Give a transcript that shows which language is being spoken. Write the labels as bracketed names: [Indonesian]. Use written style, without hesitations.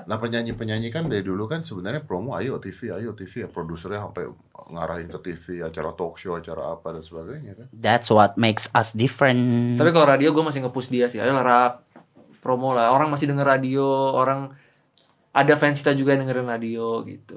[Indonesian] Nah penyanyi-penyanyi kan dari dulu kan sebenarnya promo ayo TV. Produsernya sampai ngarahin ke TV, acara talk show, acara apa dan sebagainya kan. [English] That's what makes us different. [Indonesian] Tapi kalau radio gue masih nge-push dia sih. Ayolah rap, promo lah. Orang masih denger radio, orang ada fans kita juga yang dengerin radio gitu.